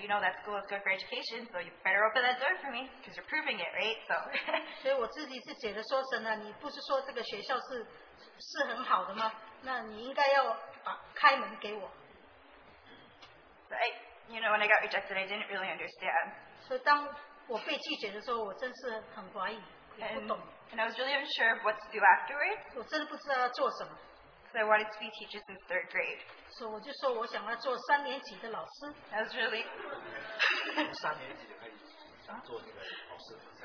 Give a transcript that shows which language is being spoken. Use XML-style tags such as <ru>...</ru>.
<en>you know that school is good for education, so you better open that door for me, because you're proving it, right? So.</en> <zh>所以我自己是觉得说神啊，你不是说这个学校是很好的吗？那你应该要开门给我。</zh> <en>You know, when I got rejected, I didn't really understand.</en> <zh>所以当 我被拒绝的时候，我真是很怀疑，</zh> <en>and I was really unsure of what to do afterwards.</en> <zh>我真的不知道要做什么。</zh> <en>Because I wanted to be teachers in third grade.</en> <zh>所以我就说我想要做三年级的老师。</zh> <en>I was really.</en> <zh>三年级就可以想做那个老师。</zh>